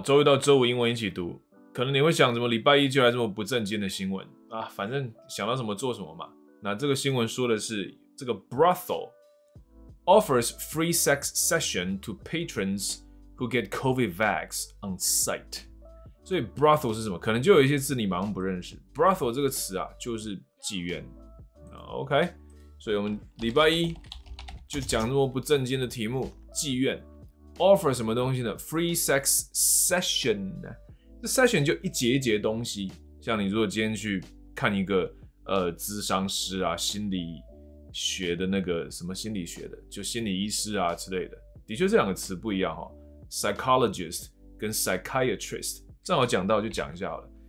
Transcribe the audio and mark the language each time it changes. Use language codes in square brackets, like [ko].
[zh] 周一到周五英文一起读，可能你会想怎么礼拜一就来这么不正经的新闻啊？反正想到什么做什么嘛。那这个新闻说的是这个 [en] brothel offers free sex session to patrons who get COVID vax on site。 [zh] 所以 brothel 是什么？可能就有一些字你马上不认识。brothel 这个词啊，就是妓院。 OK， 所以我们礼拜一就讲这么不正经的题目，妓院。 Offer 什么东西呢 ？ [en] Free sex session [zh] 呢？这 session 就一节一节东西。像你如果今天去看一个咨商师啊，心理学的那个什么心理学的，就心理医师啊之类的。的确，这两个词不一样哈、哦。Psychologist 跟 psychiatrist， 正好讲到就讲一下好了。